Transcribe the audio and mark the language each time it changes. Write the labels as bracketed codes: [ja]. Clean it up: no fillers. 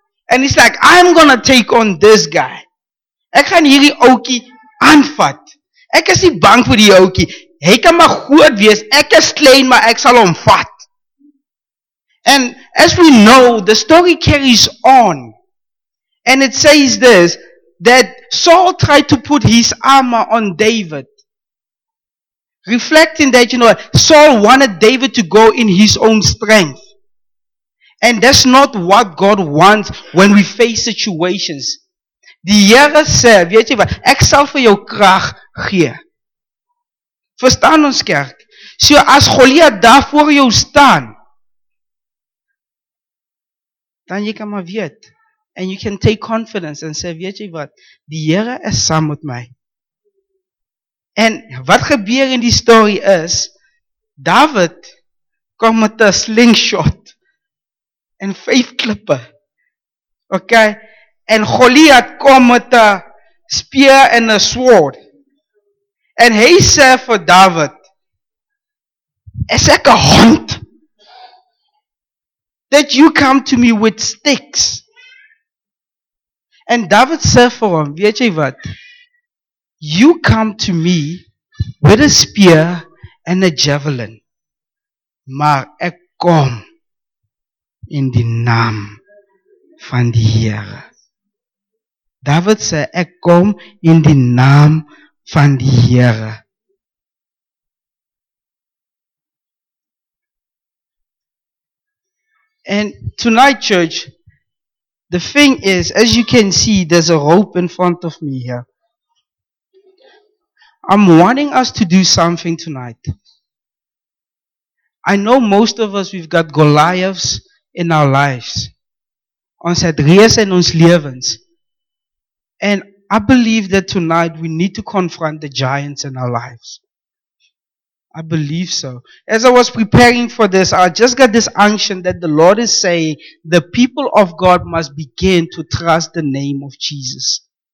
[en] And he's like, I'm gonna take on this guy. [af] Ek gaan hierdie oukie aanvat. Ek is nie bang vir die oukie. Hy kan maar groot wees. Ek is klein, maar ek sal hom vat. [en] And as we know, the story carries on. And it says this, that Saul tried to put his armor on David. Reflecting that, you know, Saul wanted David to go in his own strength. And that's not what God wants when we face situations. [af] Die Here sê, weet jy wat, ek sal vir jou krag gee. Verstaan ons kerk? So as Goliat daar voor jou staan, dan jy kan maar weet, [en] and you can take confidence and say, [af] weet jy wat, die Here is saam met my. En wat gebeur in die story is, David kom met 'n slingshot en 5 klippe. Ok? En Goliat kom met 'n speer en 'n sword. En hy sê vir David, is ek 'n hond [en] that you come to me with sticks? [af] En David sê vir hom, weet jy wat? [en] You come to me with a spear and a javelin. [af] Maar ek kom in die naam van die Here. David sê, ek kom in die naam van die Here. [en] And tonight, church, the thing is, as you can see, there's a rope in front of me here. I'm wanting us to do something tonight. I know most of us, we've got Goliaths in our lives. [af] Ons het reëse in ons lewens. [en] And I believe that tonight we need to confront the giants in our lives. I believe so. As I was preparing for this, I just got this unction that the Lord is saying the people of God must begin to trust the name of Jesus.